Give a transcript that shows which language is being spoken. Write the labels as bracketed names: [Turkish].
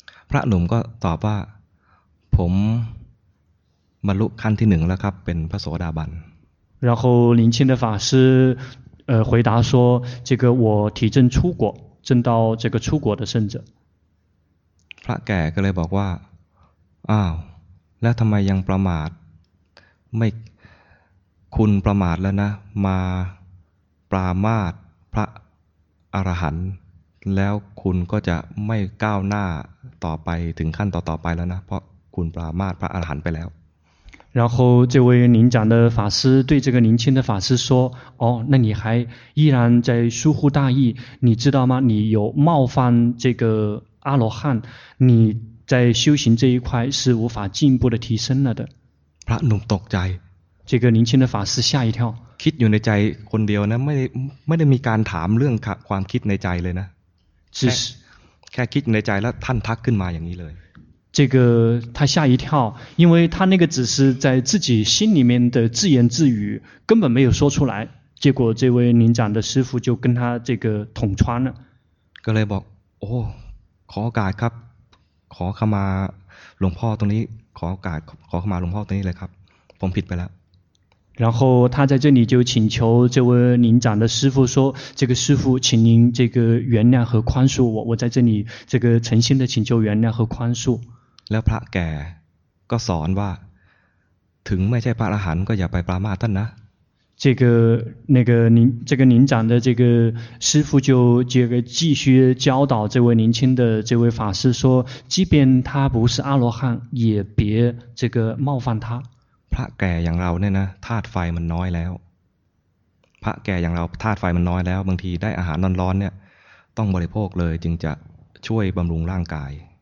[Thai] พระหนุ่มก็ตอบว่าผมบรรลุขั้นที่หนึ่งแล้วครับเป็นพระโสดาบัน。 [Chinese] 然后年轻的法师回答说，这个我体证出果，证到这个出果的圣者。 [Thai] พระแก่ก็เลยบอกว่าอ้าวแล้วทำไมยังประมาทไม่คุณประมาทแล้วนะมาปรามาสพระอรหันต์แล้วคุณก็จะไม่ก้าวหน้าต่อไปถึงขั้นต่อๆไปแล้วนะเพราะคุณปรามาสพระอรหันต์ไปแล้ว [Chinese] 然后这位年长的法师对这个年轻的法师说哦那你还依然在疏忽大意你知道吗你有冒犯这个阿罗汉你在修行这一块是无法进步的提升了的。 [Thai] พระหนุ่มตกใจ [Chinese] 这个年轻的法师吓一跳 [Thai] คิดอยู่ในใจคนเดียวนะไม่ได้มีการถามเรื่องความคิดในใจเลยนะ [Chinese] 只是 [Thai] แค่คิดในใจแล้วท่านทักขึ้นมาอย่างนี้เลย [Chinese] 这个他吓一跳因为他那个只是在自己心里面的自言自语根本没有说出来结果这位年长的师父就跟他这个捅穿了 [Thai] ก็เลยบอกโอ้ขอโอกาสครับขอเข้ามาหลวงพ่อตรงนี้ขอโอกาสขอเข้ามาหลวงพ่อตรงนี้เลยครับผมผิดไปแล้ว [Chinese] 然后他在这里就请求这位年长的师父说这个师父请您这个原谅和宽恕我在这里这个诚心的请求原谅和宽恕 [Thai] แล้วพระแก่ก็สอนว่าถึงไม่ใช่พระอรหันต์ก็อย่าไปปรามาสท่านนะ [Chinese] 这个那个您这个您长的这个师父就这个继续教导这位年轻的这位法师说，即便他不是阿罗汉，也别这个冒犯他。 [Thai] พระแก่อย่างเราเนี่ยนะธาตุไฟมันน้อยแล้วพระแก่อย่างเราธาตุไฟมันน้อยแล้วบางทีได้อาหารร้อนๆเนี่ยต้องบริโภคเลยจึงจะช่วยบำรุงร่างกาย